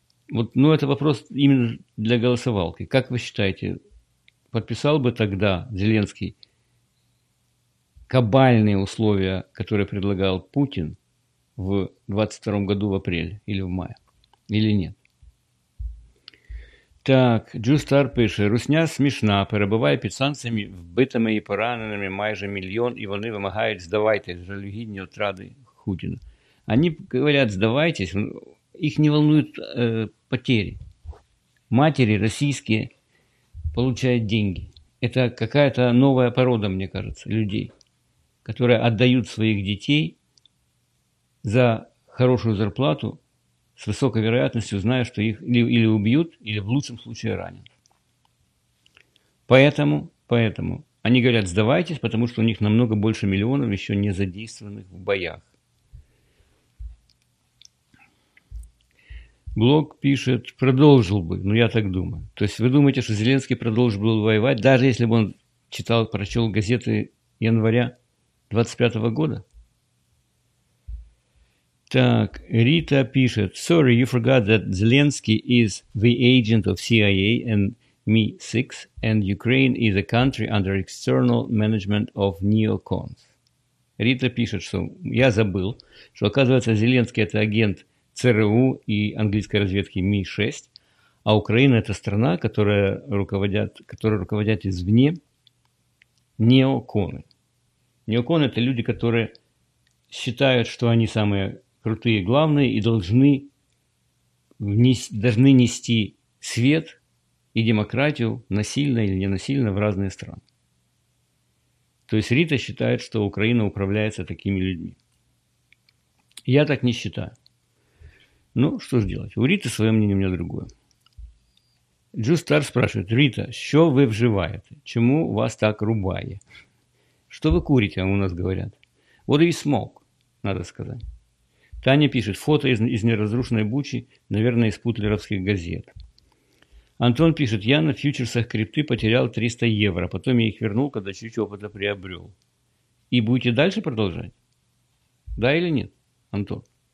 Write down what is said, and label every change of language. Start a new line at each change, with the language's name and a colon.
Russian: Вот, ну, это вопрос именно для голосовалки. Как вы считаете, подписал бы тогда Зеленский кабальные условия, которые предлагал Путин в 22 году в апреле или в мае? Или нет?
Ukrainian: Так, Джустар пише: русня смішна, перебуває під санкціями, вбитими і пораненими майже мільйон, і вони вимагають здавайте жалюгідні отради Путіна. Вони говорять, здавайтесь, їх не хвилюють потери.
Russian: Матері російські получають деньги. Это какая-то новая порода, мне кажется, людей, которые отдают своих детей за хорошую зарплату, с высокой вероятностью, зная, что их или убьют, или в лучшем случае ранят. Поэтому они говорят, сдавайтесь, потому что у них намного больше миллионов еще не задействованных в боях. Блок пишет, продолжил бы, но я так думаю. То есть вы думаете, что Зеленский продолжил бы воевать, даже если бы он читал, прочел газеты января 25 года? Так, Рита пишет,
English: sorry, you forgot that Zelensky is the agent of CIA and MI6, and Ukraine is a country under external management of neocons.
Russian: Рита пишет, что я забыл, что оказывается Зеленский это агент ЦРУ и английской разведки МИ-6, а Украина – это страна, которой руководят извне неоконы. Неоконы – это люди, которые считают, что они самые крутые, главные и должны нести свет и демократию насильно или ненасильно в разные страны. То есть Рита считает, что Украина управляется такими людьми. Я так не считаю. Ну, что ж делать? У Риты свое мнение, у меня другое. Джустар спрашивает, Рита, что вы вживаете? Чему вас так рубает? Что вы курите, у нас говорят.
English: What do you smoke,
Russian: надо сказать. Таня пишет, фото из неразрушенной Бучи, наверное, из путлеровских газет. Антон пишет, я на фьючерсах крипты потерял 300 евро, потом я их вернул, когда чуть опыта приобрел. И будете дальше продолжать? Да или нет, Антон?